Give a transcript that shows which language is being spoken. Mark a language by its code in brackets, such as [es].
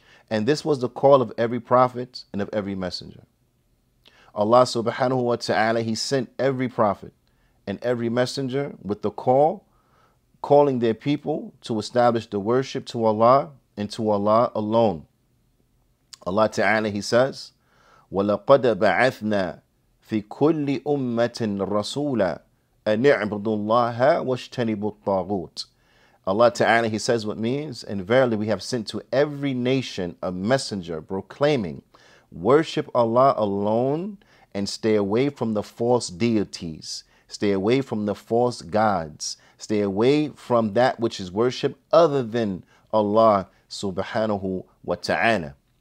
[en] And this was the call of every prophet and of every messenger. Allah subhanahu wa ta'ala, He sent every prophet and every messenger with the call, calling their people to establish the worship to Allah and to Allah alone. Allah ta'ala, He says, [ar] وَلَقَدْ بَعَثْنَا فِي كُلِّ أُمَّةٍ رَسُولًا أَنِعْبُدُ اللَّهَ وَاشْتَنِبُ الطَّاغُوتِ. [en] Allah ta'ala, He says what means, and verily we have sent to every nation a messenger proclaiming, worship Allah alone and stay away from the false deities, stay away from the false gods, stay away from that which is worship other than Allah subhanahu wa ta'ala.